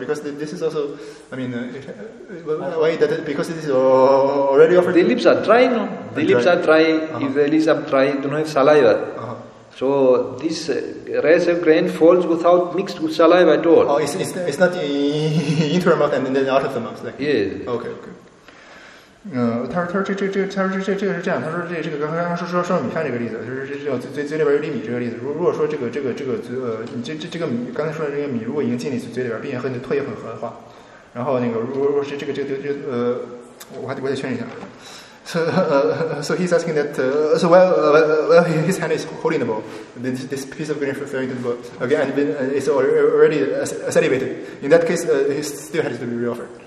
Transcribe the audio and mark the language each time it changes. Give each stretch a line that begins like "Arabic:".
English: Because this is also, why that? Because this is already offered? The lips are dry, no? The lips are dry. Uh-huh. If the lips are dry, do not have saliva. Uh-huh. So this rice grain falls without mixed with saliva at all. Oh, it's not into her mouth and then out of the mouth. Like, yes. Okay.
Chinese: 他说这个是这样，他说这个刚刚说米饭这个例子，就是这嘴里边有粒米这个例子，如果说这个嘴这个米刚才说的这个米如果已经进你嘴里边，并且和你唾液混合的话，然后那个如果是这个我得确认一下。
English: So he's asking that while his hand is holding the bowl, this piece of grain fell into the bowl again, and it's already salivated. In that case, he still has to be re-offered.